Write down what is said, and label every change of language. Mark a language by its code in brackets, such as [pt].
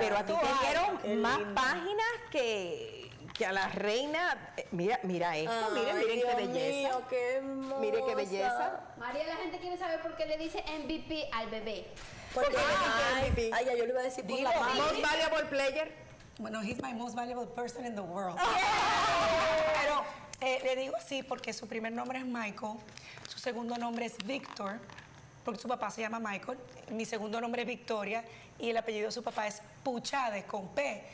[es] Pero a ti te dieron más páginas que a la reina. Mira esto, miren Dios qué belleza. Mío, qué hermosa. Mire qué belleza. María, la gente quiere saber por qué le dice MVP al bebé. Porque MVP. Ay, ya yo le iba a decir por la mamá. [en] Most valuable player. [es] Bueno, [en] he's my most valuable person in the world. Yeah. [es] Pero le digo así porque su primer nombre es Michael, su segundo nombre es Victor, porque su papá se llama Michael, mi segundo nombre es Victoria y el apellido de su papá es Puchades con P.